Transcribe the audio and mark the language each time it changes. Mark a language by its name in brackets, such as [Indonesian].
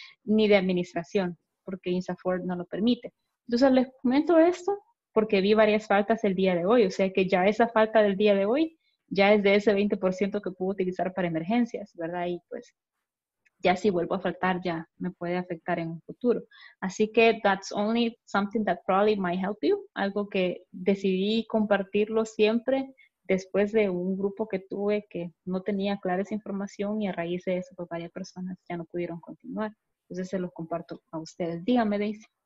[Spanish] Ni de administración, porque INSAP Work no lo permite. Entonces, les comento esto porque vi varias faltas el día de hoy. O sea, que ya esa falta del día de hoy ya es de ese 20% que pudo utilizar para emergencias, ¿verdad? Y pues, ya si vuelvo a faltar, ya me puede afectar en un futuro. [English] Así que, that's only something that probably might help you. [Spanish] Algo que decidí compartirlo siempre después de un grupo que tuve que no tenía clara esa información y a raíz de eso, pues, varias personas ya no pudieron continuar. Entonces, se los comparto a ustedes. Dígame, Daisy.